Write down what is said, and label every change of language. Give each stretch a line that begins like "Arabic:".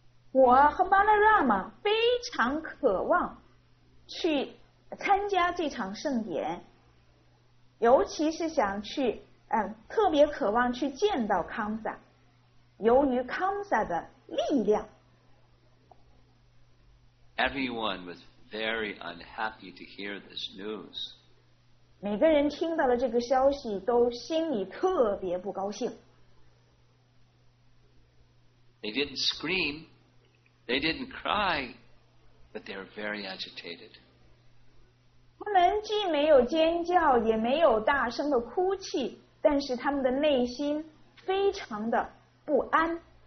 Chinese: 我和 Balarama 非常渴望去参加这场盛典，尤其是想去特别渴望去见到 Kamsa， 由于 Kamsa 的力量。
English: Everyone was very unhappy to hear this news.
Chinese: 每个人听到了这个消息都心里特别不高兴。
English: They didn't scream, they didn't cry, but they were very agitated.
Chinese: 他们既没有尖叫，也没有大声的哭泣，但是他们的内心非常的不安。